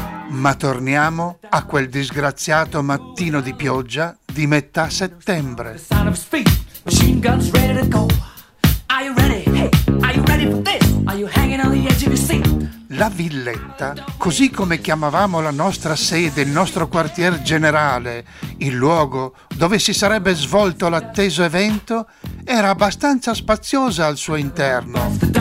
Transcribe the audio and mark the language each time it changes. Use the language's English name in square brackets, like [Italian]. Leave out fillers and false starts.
[Italian] Ma torniamo a quel disgraziato mattino di pioggia di metà settembre. [English] Machine guns ready to go. Are you ready? Hey, are you ready for this? Are you hanging? [Italian] La villetta, così come chiamavamo la nostra sede, il nostro quartier generale, il luogo dove si sarebbe svolto l'atteso evento, era abbastanza spaziosa al suo interno.